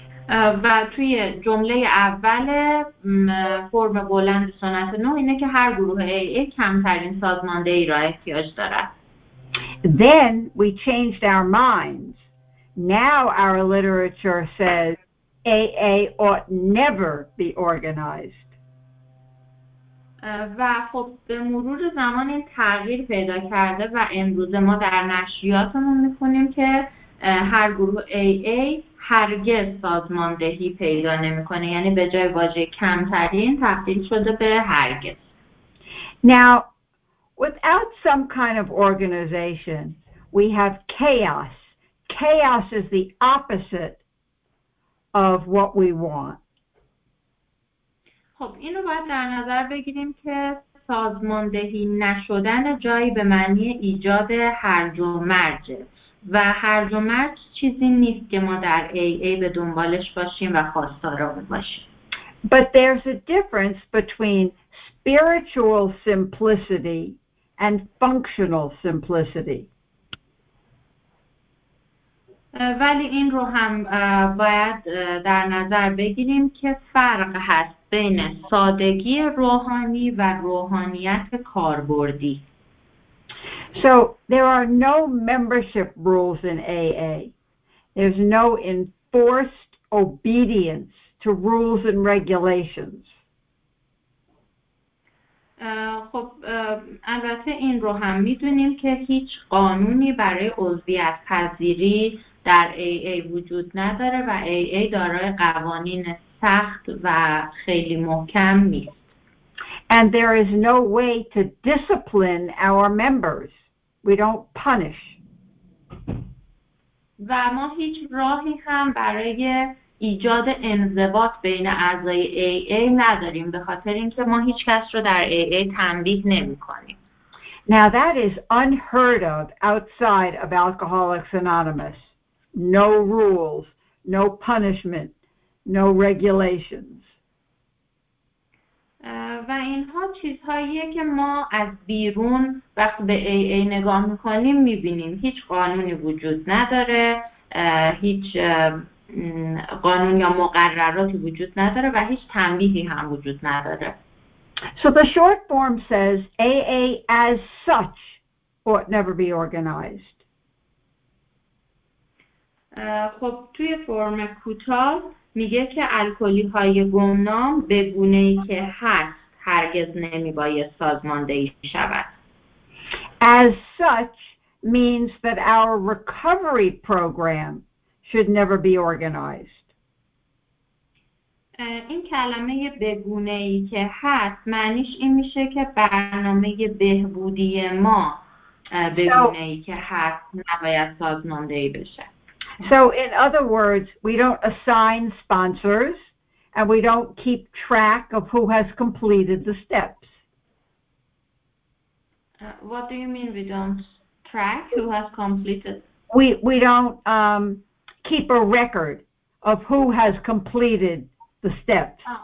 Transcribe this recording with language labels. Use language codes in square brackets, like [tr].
[fa] و توی جمله اول فرم بلند سنت نو اینه که هر گروه AA کمترین سازماندهی را احتیاج دارد. [en] Then we changed our minds. Now our literature says AA ought never be organized. [fa] و خب به مرور زمان تغییر پیدا کرده و امروز ما در نشریاتمون می‌خونیم که هر گروه AA هرگز سازماندهی پیدا نمی‌کنه، یعنی به جای واژه کمترین تبدیل شده به هرگز. [en] Now without some kind of organization, we have chaos. Chaos is the opposite of what we want. [fa] خب اینو باید در نظر بگیریم که سازماندهی نشدن جایی به معنی ایجاد هرج و مرج و هرج و مرج چیزی نیست که ما در AA به دنبالش باشیم و خواستار اون باشیم. [en] But there's a difference between spiritual simplicity and functional simplicity. [fa] ولی این رو هم باید در نظر بگیریم که فرق هست بین سادگی روحانی و روحانیت کاربردی. [en] So there are no membership rules in AA. There's no enforced obedience to rules and regulations. [fa] خب البته این رو هم میدونیم که هیچ قانونی برای عضویت پذیری در AA وجود نداره و AA دارای قوانین سخت و خیلی محکم نیست. [en] And there is no way to discipline our members. We don't punish. [fa] و ما هیچ راهی هم برای ایجاد انضباط بین اعضای AA نداریم به خاطر اینکه ما هیچ کس رو در AA تنبیه نمی کنیم. [en] Now that is unheard of outside of Alcoholics Anonymous. No rules, no punishment, no regulations. [fa] و اینها چیزهاییه که ما از بیرون وقت به AA نگاه میکنیم میبینیم. هیچ قانونی وجود نداره، هیچ قانون یا مقرراتی وجود نداره و هیچ تنبیهی هم وجود نداره. [en] So the short form says AA as such ought never be organized. [fa] خب توی فرم کوتاه میگه که الکلی های گمنام به گونه ای که هست هرگز نمیباید سازماندهی شود. [en] As such means that our recovery program should never be organized. [fa] این کلمه به گونه ای که هست معنیش این میشه که برنامه بهبودی ما به گونه ای که هست نباید سازماندهی بشه. [en] So in other words, we don't assign sponsors and we don't keep track of who has completed the steps. What do you mean we don't track who has completed? We don't keep a record of who has completed the steps.